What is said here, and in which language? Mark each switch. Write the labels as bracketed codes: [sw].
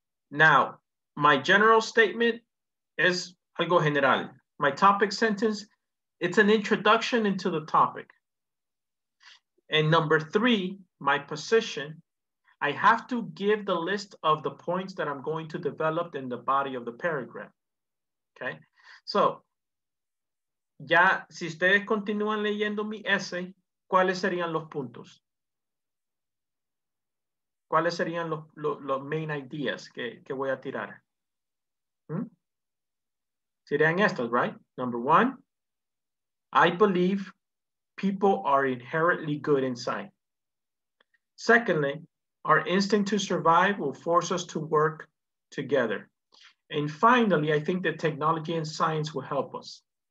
[en] Now, my general statement is [es] algo general. [en] My topic sentence, it's an introduction into the topic. And number three, my position, I have to give the list of the points that I'm going to develop in the body of the paragraph, okay? [es] So, ya, si ustedes continúan leyendo mi essay, ¿cuáles serían los puntos? ¿Cuáles serían los main ideas que voy a tirar? Serían estos, right? [en] Number one, I believe people are inherently good inside. Secondly, our instinct to survive will force us to work together. And finally, I think that technology and science will help us.